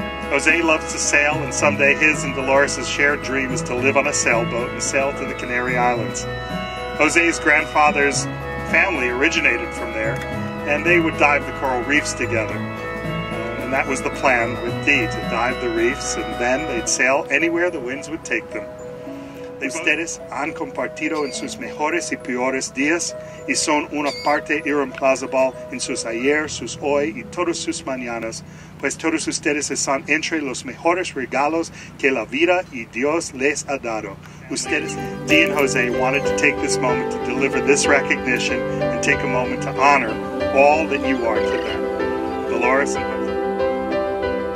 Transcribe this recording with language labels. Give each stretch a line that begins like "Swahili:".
English: Jose loves to sail, and someday his and Dolores' shared dream is to live on a sailboat and sail to the Canary Islands. Jose's grandfather's family originated from there, and they would dive the coral reefs together. And that was the plan with Dee, to dive the reefs, and then they'd sail anywhere the winds would take them.
Spanish: Ustedes han compartido en sus mejores y peores días y son una parte irreemplazable en sus ayer, sus hoy y todos sus mañanas, pues todos ustedes están entre los mejores regalos que la vida y Dios les ha dado.
English: Ustedes, Dee and Jose wanted to take this moment to deliver this recognition and take a moment to honor all that you are to them. Dolores and Jose.